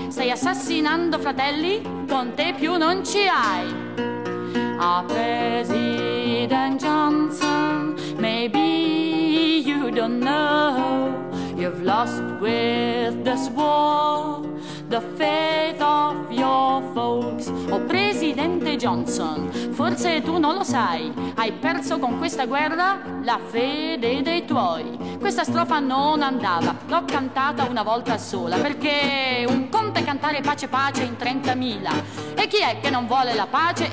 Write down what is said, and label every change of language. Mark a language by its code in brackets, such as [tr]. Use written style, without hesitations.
[it] Stai assassinando fratelli, con te più non ci hai. [en] Ah, President Johnson, maybe you don't know you've lost with this war the faith of your folks. [it] Oh, Presidente Johnson, forse tu non lo sai, hai perso con questa guerra la fede dei tuoi. Questa strofa non andava, l'ho cantata una volta sola, perché un conto è cantare pace pace in 30.000, e chi è che non vuole la pace?